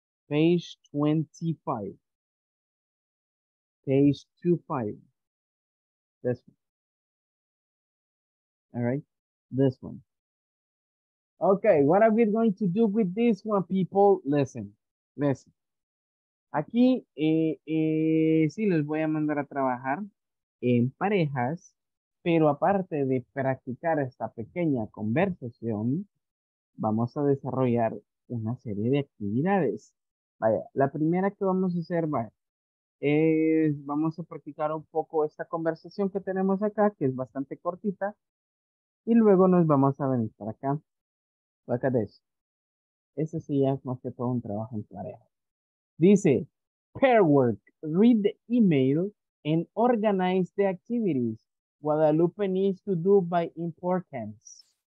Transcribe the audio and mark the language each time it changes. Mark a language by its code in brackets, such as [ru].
[en] Page 25. Page 25. This one. All right, this one. Okay, what are we going to do with this one, people? Listen, listen. [es] Aquí sí les voy a mandar a trabajar en parejas, pero aparte de practicar esta pequeña conversación, vamos a desarrollar una serie de actividades. Vaya, la primera que vamos a hacer, vaya, es vamos a practicar un poco esta conversación que tenemos acá, que es bastante cortita, y luego nos vamos a venir para acá. [en] Look at this. [es] Ese sí es más que todo un trabajo en pareja. [en] Dice, pair work, read the email and organize the activities Guadalupe needs to do by importance.